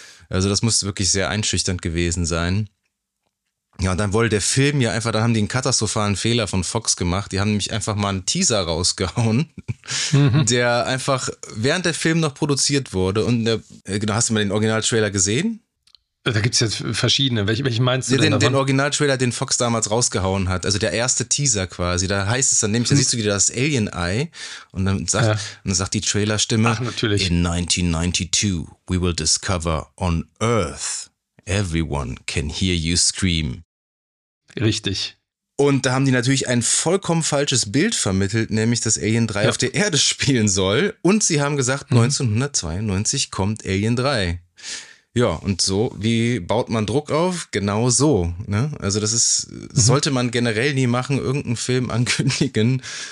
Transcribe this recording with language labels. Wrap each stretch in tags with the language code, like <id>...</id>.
<de>Also das muss wirklich sehr einschüchternd gewesen sein. Ja, und dann wollte der Film ja einfach, dann haben die einen katastrophalen Fehler von Fox gemacht. Die haben nämlich einfach mal einen Teaser rausgehauen, der einfach während der Film noch produziert wurde. Und genau, hast du mal den Original-Trailer gesehen? Da gibt es jetzt verschiedene. Welche meinst du den, denn davon? Den Original-Trailer, den Fox damals rausgehauen hat. Also der erste Teaser quasi. Da heißt es dann nämlich, da siehst du wieder das Alien-Eye. Und dann sagt, ja, dann sagt die Trailerstimme, ach, natürlich,</de> <en>in 1992 we will discover on Earth everyone can hear you scream.</en> <de>Richtig. Und da haben die natürlich ein vollkommen falsches Bild vermittelt, nämlich dass Alien 3 auf der Erde spielen soll. Und sie haben gesagt, 1992 kommt Alien 3. Ja, und so, wie baut man Druck auf? Genau so. Ne? Also das ist, sollte man generell nie machen, irgendeinen Film ankündigen.</de>